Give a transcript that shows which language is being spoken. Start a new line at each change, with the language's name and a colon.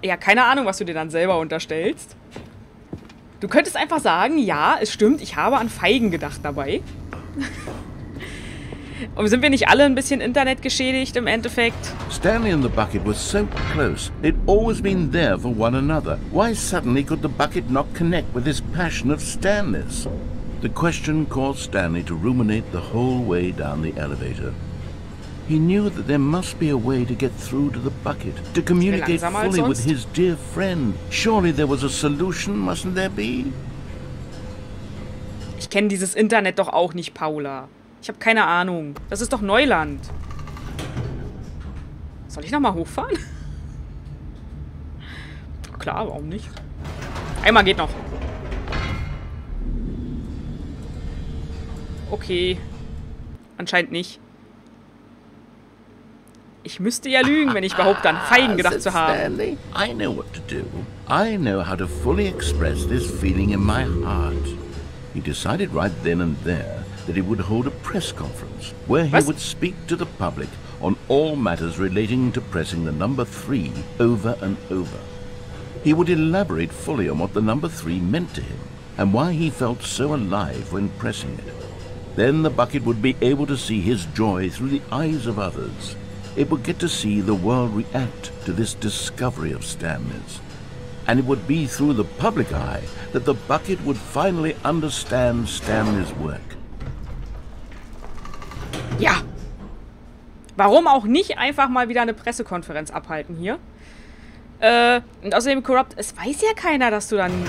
German: Ja, keine Ahnung, was du dir dann selber unterstellst. Du könntest einfach sagen, ja, es stimmt, ich habe an Feigen gedacht dabei. Und sind wir nicht alle ein bisschen internetgeschädigt im Endeffekt?
English: Stanley and the bucket were so close. They'd always been there for one another. Why suddenly could the bucket not connect with this passion of Stanley's? The question caused Stanley to ruminate the whole way down the elevator. He knew that there must be a way to get through to the bucket, to communicate fully with his dear friend. Surely there was a solution, mustn't there be?
German: Ich kenne dieses Internet doch auch nicht, Paula. Ich habe keine Ahnung. Das ist doch Neuland. Soll ich nochmal hochfahren? Klar, warum nicht? Einmal geht noch. Okay. Anscheinend nicht. Ich müsste ja lügen, wenn ich behaupte, an Feigen gedacht zu haben.
English: I know what to do. I know how to fully express this feeling in my heart. He decided right then and there that he would hold a press conference, where he would speak to the public on all matters relating to pressing the number 3 over and over. He would elaborate fully on what the number 3 meant to him and why he felt so alive when pressing it. Then the bucket would be able to see his joy through the eyes of others. It would get to see the world react to this discovery of Stanley's. And it would be through the public eye that the bucket would finally understand Stanley's work.
German: Ja. Warum auch nicht einfach mal wieder eine Pressekonferenz abhalten hier? Und außerdem Corrupt, es weiß ja keiner, dass du dann